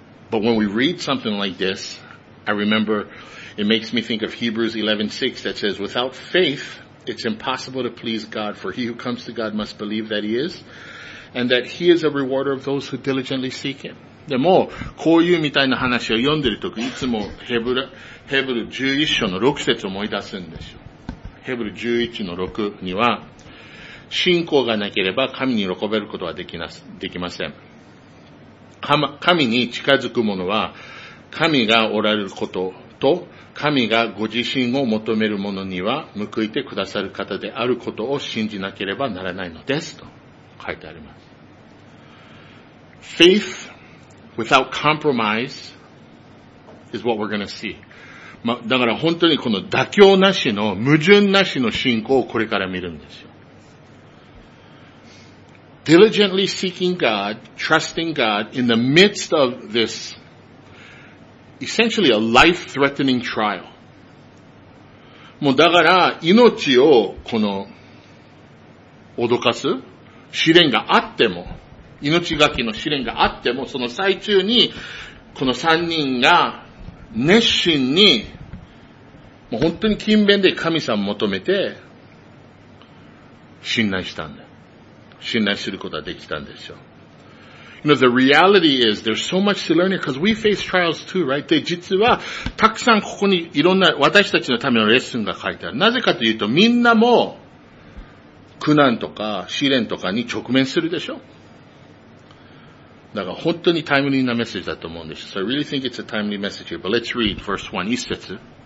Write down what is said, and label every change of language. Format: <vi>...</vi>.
<en>But when we read something like this, I remember it makes me think of Hebrews 11:6 that says, without faith, it's impossible to please God, for he who comes to God must believe that he is, and that he is a rewarder of those who diligently seek him.</en> <ja>でも、こういうみたいな話を読んでるとき、いつもヘブル11章の6節を思い出すんですよ。ヘブル11の6には、信仰がなければ神に喜べることはできません。神に近づく者は、神がおられることと、神がご自身を求める者には報いてくださる方であることを信じなければならないのです。と書いてあります。</ja> <en>Faith without compromise is what we're gonna see.</en> <ja>ま、だから本当にこの妥協なしの、矛盾なしの信仰をこれから見るんですよ。</ja> <en>Diligently seeking God, trusting God in the midst of this, essentially a life-threatening trial.</en> <ja>もうだから命をこの、脅かす試練があっても、命がけの試練があっても、その最中に、この三人が熱心に、もう本当に勤勉で神様求めて、信頼したんだよ。信頼することができたんですよ。</ja> <en>You know, the reality is, there's so much to learn here, because we face trials too, right?</en> <ja>で、実は、たくさんここにいろんな私たちのためのレッスンが書いてある。なぜかというと、みんなも、苦難とか試練とかに直面するでしょ。だから本当にタイムリーなメッセージだと思うんですよ。</ja> <en>So I really think it's a timely message here, but let's read first one, 一節。</en>